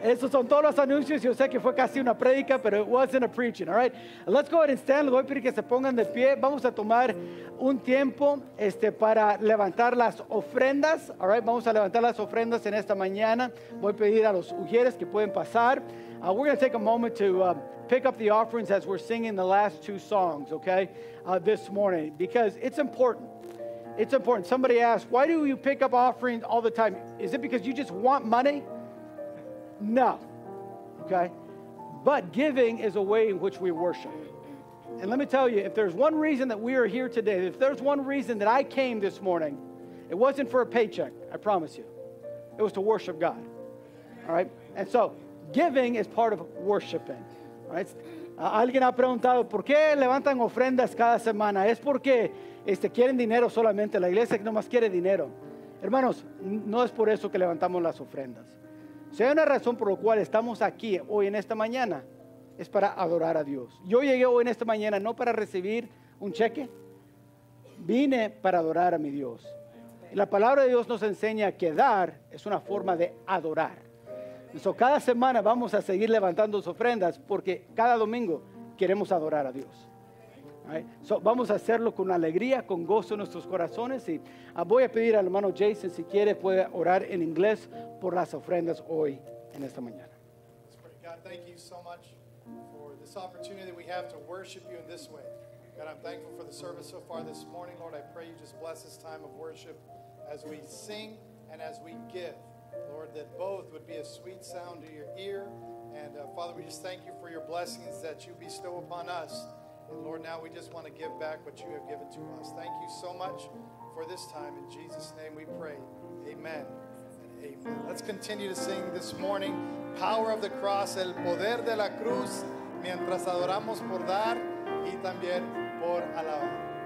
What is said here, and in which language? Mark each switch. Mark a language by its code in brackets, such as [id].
[es] Esos son todos los anuncios. Yo sé que fue casi una predica, pero [en] it wasn't a preaching, all right? Let's go ahead and stand. [es] Les voy a pedir que se pongan de pie. Vamos a tomar un tiempo para levantar las ofrendas, [en] all right? [es] Vamos a levantar las ofrendas en esta mañana. Voy a pedir a los ujieres que pueden pasar. [en] We're going to take a moment to pick up the offerings as we're singing the last 2 songs, okay, this morning, because it's important. It's important. Somebody asked, why do you pick up offerings all the time? Is it because you just want money? No, okay? But giving is a way in which we worship. And let me tell you, if there's one reason that we are here today, if there's one reason that I came this morning, it wasn't for a paycheck, I promise you. It was to worship God, all right? And so giving is part of worshiping. Right? [es] Alguien ha preguntado, ¿por qué levantan ofrendas cada semana? ¿Es porque quieren dinero solamente? La iglesia nomás quiere dinero. Hermanos, no es por eso que levantamos las ofrendas. Si hay una razón por la cual estamos aquí hoy en esta mañana, es para adorar a Dios. Yo llegué hoy en esta mañana no para recibir un cheque. Vine para adorar a mi Dios. Y la palabra de Dios nos enseña que dar es una forma de adorar. So, cada semana vamos a seguir levantando sus ofrendas porque cada domingo queremos adorar a Dios. [en] Right? [es] So, vamos a hacerlo con alegría, con gozo en nuestros corazones. Y voy a pedir al hermano Jason, si quiere, puede orar en inglés por las ofrendas hoy en esta mañana. [en] God, thank you so much for this opportunity that we have to worship you in this way. God, I'm thankful for the service so far this morning. Lord, I pray you just bless this time of worship as we sing and as we give. Lord, that both would be a sweet sound to your ear. And Father, we just thank you for your blessings that you bestow upon us. And Lord, now we just want to give back what you have given to us. Thank you so much for this time. In Jesus' name we pray. Amen and amen. Let's continue to sing this morning. Power of the cross, [es] el poder de la cruz, mientras adoramos por dar y también por alabar.